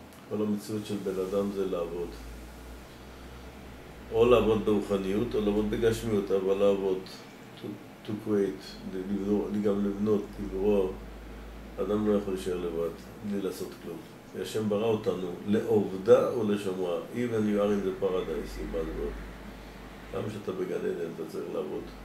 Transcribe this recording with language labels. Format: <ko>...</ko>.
<he>כל המציאות של בן אדם זה לעבוד. או לעבוד ברוחניות, או לעבוד בגשמיות, אבל לעבוד.</he> <en>To create,</en> <he>גם לבנות, לברור. אדם לא יכול להישאר לבד, בלי לעשות כלום. השם ברא אותנו לעובדה או לשמרה.</he> <en>Even you are in the paradise, in bad word.</en> <he>גם כשאתה בגן עדן, אתה צריך לעבוד.</he>